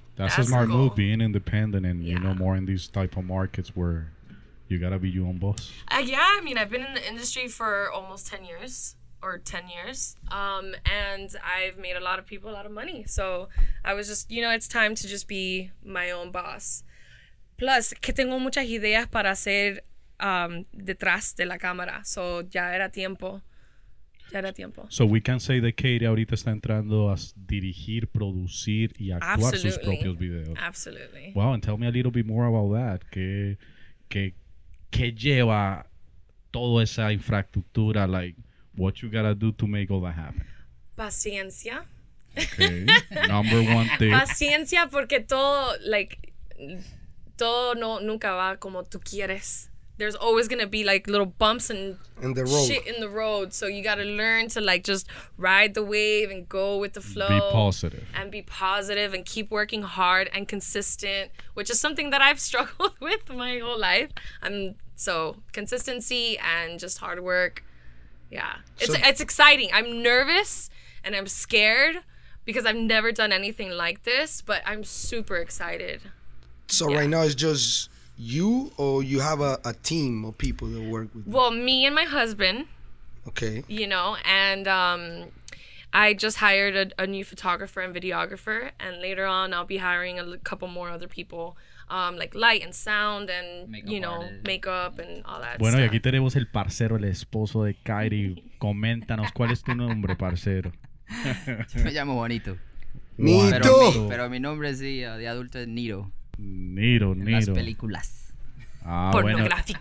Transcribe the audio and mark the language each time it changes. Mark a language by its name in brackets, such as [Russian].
[English] That's a smart move, being independent and you know more in these type of markets where you gotta be your own boss. Yeah, I mean, I've been in the industry for almost 10 years, and I've made a lot of people a lot of money. So I was just, you know, it's time to just be my own boss. Plus, [Spanish] que tengo muchas ideas para hacer detrás de la cámara. [English] So [Spanish] ya era tiempo. [English] So we can say that [Spanish] Katie ahorita está entrando a dirigir, producir y actuar [English] Absolutely. [Spanish] Sus propios videos. [English] Absolutely. Wow, and tell me a little bit more about that. [Spanish] ¿Qué lleva toda esa infraestructura? [English] Like, what you gotta do to make all that happen? [Spanish] Paciencia. [English] Okay. Number one thing. [Spanish] Paciencia, porque todo nunca va como tú quieres. [English] There's always gonna be like little bumps and in the road. Shit in the road. So you gotta learn to like just ride the wave and go with the flow. Be positive. And be positive and keep working hard and consistent, which is something that I've struggled with my whole life. So consistency and just hard work. Yeah. It's exciting. I'm nervous and I'm scared because I've never done anything like this, but I'm super excited. So right now it's just you, or you have a team of people that work with you? Well, me and my husband. Okay. You know, and I just hired a new photographer and videographer, and later on I'll be hiring a couple more other people, like light and sound and, makeup, you know, makeup and all that [Spanish] bueno, [English] stuff. [Spanish] Y aquí tenemos el parcero, el esposo de Kairi. Coméntanos, ¿cuál es tu nombre, parcero? Yo me llamo Bonito. ¡Nito! Pero mi nombre sí, de adulto es Niro. Niro. Las películas. Ah, pornográficas.